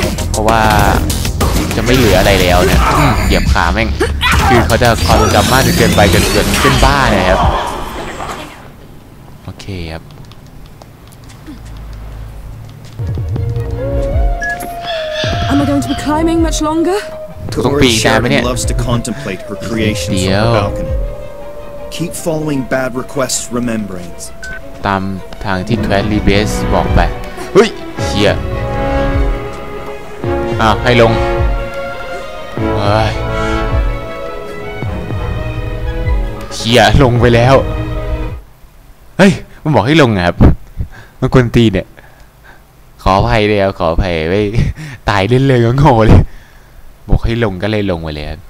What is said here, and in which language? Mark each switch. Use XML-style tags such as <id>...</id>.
<th>เพราะว่าจะไม่เหลืออะไรแล้วเนี่ยเหยียบขาแม่งคือเขาจะความจำมากจนเกินไปจนเป็นบ้าเนี่ยครับโอเคครับ</th> <en>Am I going to be climbing much longer? Tori Sharon loves to contemplate her creations from the balcony. Keep following bad requests, remembrance.</en> <th>ตามทางที่ Twilight Base บอกไปเฮ้ยเฮียให้ลงเฮียลงไปแล้วเฮ้ยมันบอกให้ลงครับมันกวนตีเนี่ยขออภัยเลยครับขออภัยไว้ตายเล่นๆก็โง่เลยบอกให้ลงก็เลยลงไปเลย</th>